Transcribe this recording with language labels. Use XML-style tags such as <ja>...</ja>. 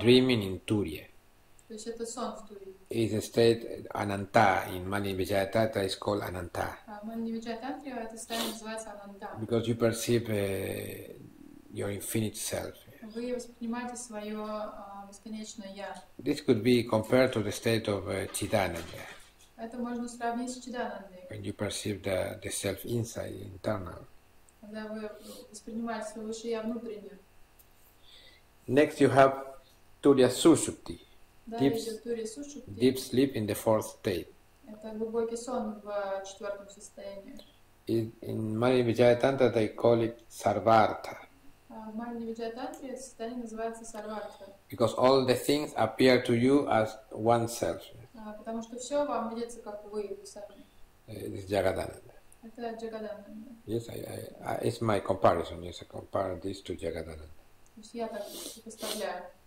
<en>Dreaming in turia.</en> <ru>То есть это сон в турии.</ru> <en>It's a state ananta in Malini Vijaya Tantra is called ananta.</en> <ru>Malini Vijaya Tantra это состояние называется ананта.</ru> <en>Because you perceive your infinite self.</en> <ru>Вы воспринимаете свое бесконечное я.</ru> <en>This could be compared to the state of Chidananda.</en> <ru>Это можно сравнить с Чидананды.</ru> <en>When you perceive the self inside, internal.</en> <ru>Когда вы воспринимаете свое высшее я внутреннее.</ru> <en>Next you have Turiya Sushupti. Deep, deep sleep in the fourth state.</en> <ru>Это глубокий сон в четвертом состоянии.</ru> <en>In Malini Vijaya Tantra they call it sarvartha.</en> <ru>В Малини Виджая Тантре состояние называется сарвартха.</ru> <en>Because all the things appear to you as oneself.</en> <ru>Потому что все вам видится как вы сами.</ru> <en>It's Jagadananda.</en> <ru>Это Jagadananda.</ru> <en>Yes, I it's my comparison. Yes, I compare this to Jagadananda.</en> <ru>То есть я так представляю.</ru>